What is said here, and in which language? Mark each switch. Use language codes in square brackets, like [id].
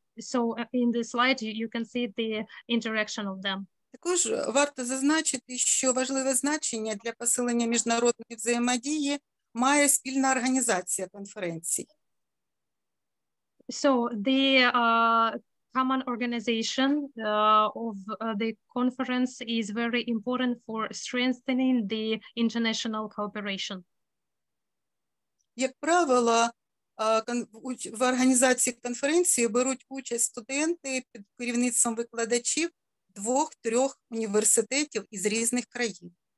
[en] So, in the slide, you can see the interaction of them. [uk] Також варто зазначити, що важливе значення для посилення міжнародної взаємодії має спільна організація конференції. [en] So, the common organization of the conference is very important for strengthening the international cooperation. [uk] Як правило, в організації конференції беруть участь студенти під керівництвом викладачів двох-трьох університетів із різних країн.